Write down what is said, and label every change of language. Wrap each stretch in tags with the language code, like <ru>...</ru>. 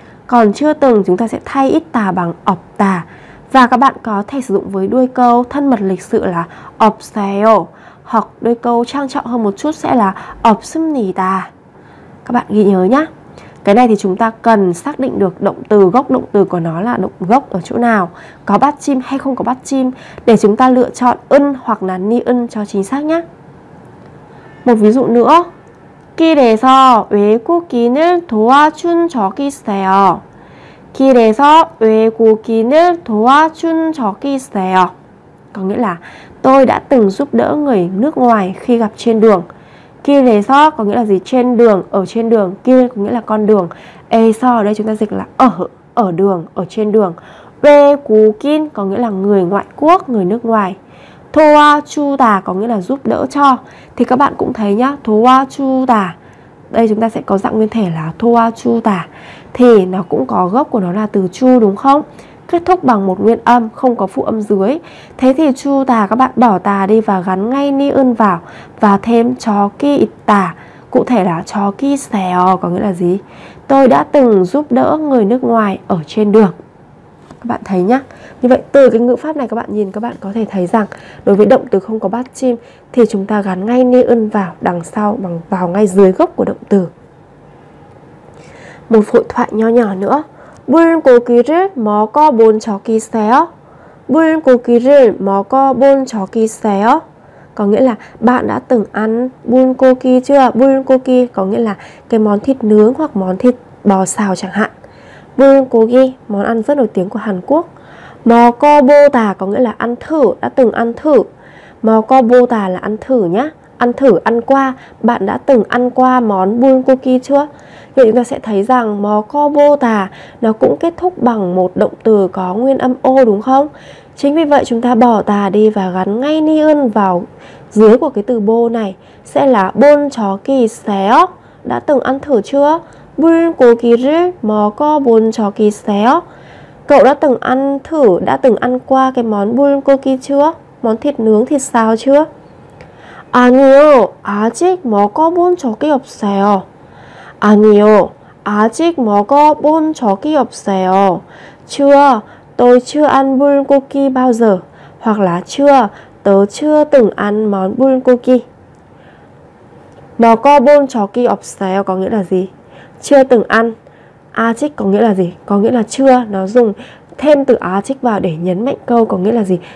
<vi>Còn chưa từng chúng ta sẽ thay 있다 bằng 없다. Và các bạn có thể sử dụng với đuôi câu thân mật lịch sự là 없어요 hoặc đuôi câu trang trọng hơn một chút sẽ là 없습니다. Các bạn ghi nhớ nhá. Cái này thì chúng ta cần xác định được động từ, gốc động từ của nó là động gốc ở chỗ nào, có bát chim hay không có bát chim, để chúng ta lựa chọn 은 hoặc là 니은 cho chính xác nhé. Một ví dụ nữa.</vi> <ko>길에서 외국인을 도와준 적 있어요. 길에서 외국인을 도와준 적 있어요.</ko> <vi>Có nghĩa là tôi đã từng giúp đỡ người nước ngoài khi gặp trên đường. 길에서 có nghĩa là gì? Trên đường, ở trên đường. 길 có nghĩa là con đường. 에서 ở đây chúng ta dịch là ở đường, ở trên đường. 외국인 có nghĩa là người ngoại quốc, người nước ngoài. 도와주다 có nghĩa là giúp đỡ cho. Thì các bạn cũng thấy nhá, 도와주다. Đây chúng ta sẽ có dạng nguyên thể là 도와주다. Thì nó cũng có gốc của nó là từ 주 đúng không? Kết thúc bằng một nguyên âm, không có phụ âm dưới. Thế thì 주다 các bạn bỏ 다 đi và gắn ngay 니은 vào và thêm 적이 있다. Cụ thể là</vi> <ko>적이 있어요</ko> <vi>có nghĩa là gì? Tôi đã từng giúp đỡ người nước ngoài ở trên đường. Các bạn thấy nhá. Như vậy từ cái ngữ pháp này các bạn nhìn, các bạn có thể thấy rằng đối với động từ không có bát chim thì chúng ta gắn ngay 니은 vào đằng sau, bằng vào ngay dưới gốc của động từ. Một hội thoại nho nhỏ nữa.</vi> <ko>불고기를 먹어본 적 있어요? 불고기를 먹어본 적 있어요?</ko> <vi>Có nghĩa là bạn đã từng ăn 불고기 chưa? 불고기 có nghĩa là cái món thịt nướng hoặc món thịt bò xào chẳng hạn. 불고기 món ăn rất nổi tiếng của Hàn Quốc. 먹어보다 có nghĩa là ăn thử, đã từng ăn thử. 먹어보다 là ăn thử nhá, ăn thử, ăn qua. Bạn đã từng ăn qua món 불고기 chưa? Vậy chúng ta sẽ thấy rằng 먹어보다 nó cũng kết thúc bằng một động từ có nguyên âm ô đúng không? Chính vì vậy chúng ta bỏ 다 đi và gắn ngay 니은 vào dưới của cái từ 보 này, sẽ là</vi> <ko>본 적이 있어요,</ko> <vi>đã từng ăn thử chưa?</vi> <ko>불고기를 먹어본 적이 있어요.</ko> <vi>Cậu đã từng ăn thử, đã từng ăn qua cái món 불고기 chưa? Món thịt nướng, thịt xào chưa?</vi> <ko>아니요, 아직 먹어본 적이 없어요. 아니요, 아직 먹어본 적이 없어요.</ko> <vi>Chưa, tôi chưa ăn 불고기 bao giờ. Hoặc là chưa, tớ chưa từng ăn món 불고기.</vi> <ko>먹어본 적이 없어요</ko> <vi>có nghĩa là gì? Chưa từng ăn. 아직 có nghĩa là gì? Có nghĩa là chưa. Nó dùng thêm từ 아직 vào để nhấn mạnh câu có nghĩa là gì?</vi>